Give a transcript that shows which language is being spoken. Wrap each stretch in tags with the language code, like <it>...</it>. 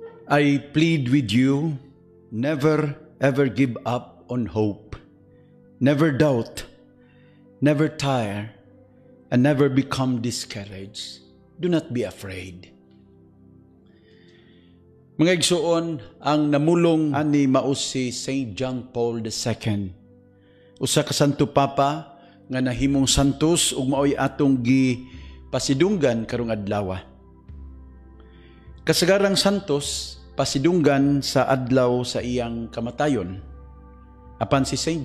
<en>I plead with you, never ever give up on hope. Never doubt, never tire, and never become discouraged. Do not be afraid.</en> <ceb>Mga igsoon, ang namulong ani mausi St. John Paul II, usa ka santo papa nga nahimong santos ug maoy atong gi pasidunggan karong adlawa. Kasagarang santos pasidunggan sa adlaw sa iyang kamatayon. Apan si St.</ceb>